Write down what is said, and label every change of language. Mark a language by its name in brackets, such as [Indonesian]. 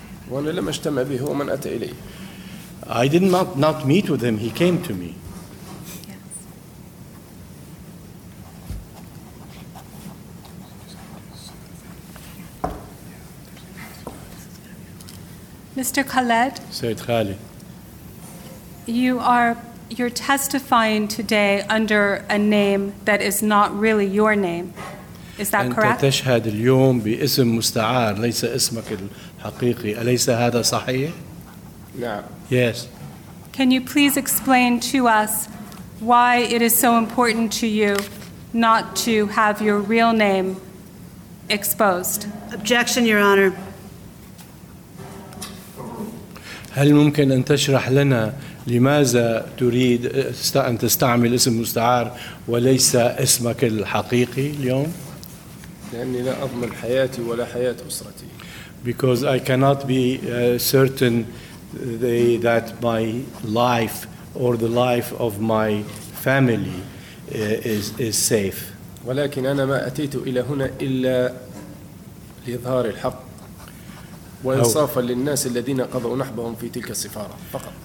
[Arabic] وأنا لم أجتمع به هو من أتى إلي. [English] I did not meet with him. He came to me. Mr. Khaled. [Arabic] Sayyid Khali. [English] You're testifying today under a name that is not really your name. Is that correct? [Arabic] أنت تشهد اليوم باسم مستعار ليس اسمك الحقيقي. أليس هذا صحيح؟ نعم. [English] Yes. Can you please explain to us why it is so important to you not to have your real name exposed? Objection, Your Honor. [Arabic] هل ممكن أن تشرح لنا لماذا تريد أن تستعمل اسم مستعار وليس اسمك الحقيقي اليوم؟ لأنني لا أضمن حياتي ولا حياة أسرتي. [English] Because I cannot be certain that my life or the life of my family is safe. [Arabic] ولكن أنا ما أتيت إلى هنا إلا لإظهار الحق. وإنصافا للناس الذين قضوا نحبهم في تلك السفارة فقط.